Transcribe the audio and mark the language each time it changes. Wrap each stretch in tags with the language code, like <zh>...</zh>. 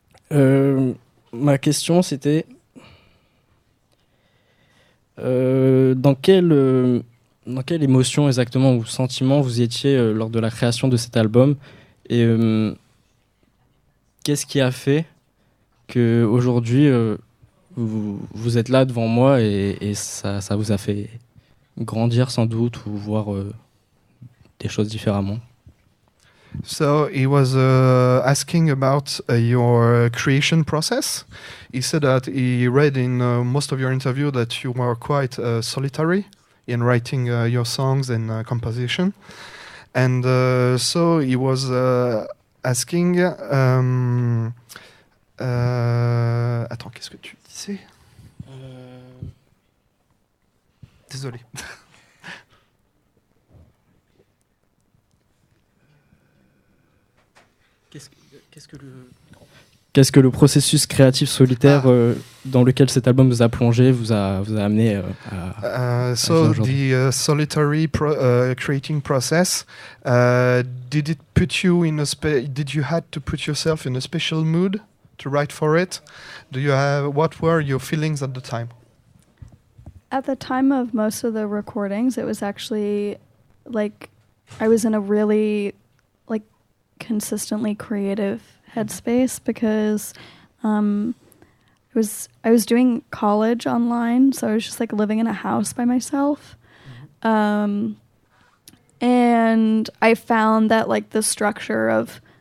<fr>Ma question, c'était dans quelle émotion exactement ou sentiment vous étiez lors de la création de cet album et qu'est-ce qui a fait que aujourd'hui vous êtes là devant moi et ça vous a fait grandir sans doute ou voir des choses différemment?</fr> <en>So he was asking about your creation process. He said that he read in most of your interview that you were quite solitary in writing your songs and composition, and so he was. Asking,</en> <fr>attends, qu'est-ce que tu disais? Désolé. Qu'est-ce que le processus créatif solitaire dans lequel cet album vous a plongé vous a amené à</fr> <en>So the solitary creating process did it put you in a did you had to put yourself in a special mood to write for it? Do you have what were your feelings at the time? At the time of most of the recordings, it was actually like I was in a really like consistently creative headspace because I was doing college online, so I was just like living in a house by myself, and I found that like the structure of</en>